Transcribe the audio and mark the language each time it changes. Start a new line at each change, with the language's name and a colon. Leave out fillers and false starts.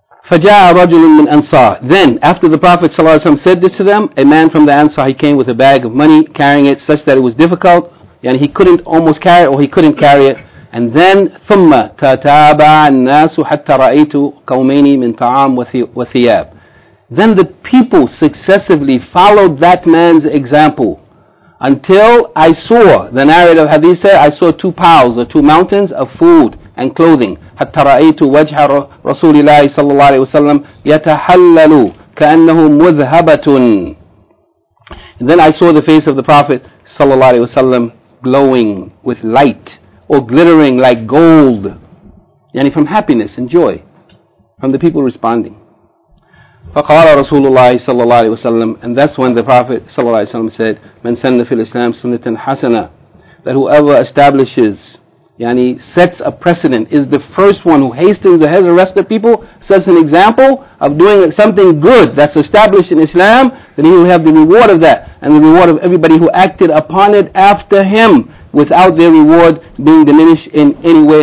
Arabic: فَجَاءَ رَجُلٌ مِّنْ أَنصَارِ.
English: Then, after the Prophet ﷺ said this to them, a man from the Ansar, he came with a bag of money, carrying it such that it was difficult, and he couldn't almost carry it, or he couldn't carry it. And then,
Arabic: ثُمَّ تَتَابَعَ النَّاسُ حَتَّى رَأَيْتُ قَوْمَيْنِ مِنْ طَعَامٍ وَثِيَابٍ.
English: Then the people successively followed that man's example, until I saw, the narrator of hadith said, I saw two piles, or two mountains of food and clothing.
Arabic: حَتَّى رَأَيْتُ وَجْهَ رَسُولِ اللَّهِ صَلَّى اللَّهُ عَلَيْهِ وَسَلَّمْ يَتَحَلَّلُ كَأَنَّهُ مُذْهَبَةٌ.
English: And then I saw the face of the Prophet صَلَّى اللَّهُ عَلَيْهِ وَسَلَّمْ glowing with light, or glittering like gold. Yani, from happiness and joy, from the people responding.
Arabic: فَقَالَ رَسُولُ اللَّهِ صَلَّى اللَّهُ عَلَيْهِ وَسَلَّمْ.
English: And that's when the Prophet
Arabic: صَلَّى اللَّهُ عَلَيْهِ وَسَلَّمْ
English: said,
Arabic: مَنْ سَنَّ فِي الْإِسْلَامِ سُنَّةً حَسَنَةً.
English: That whoever establishes, yani sets a precedent, is the first one who hastens ahead of the rest of people, sets an example of doing something good that's established in Islam, then he will have the reward of that, and the reward of everybody who acted upon it after him, without their reward being diminished in any way.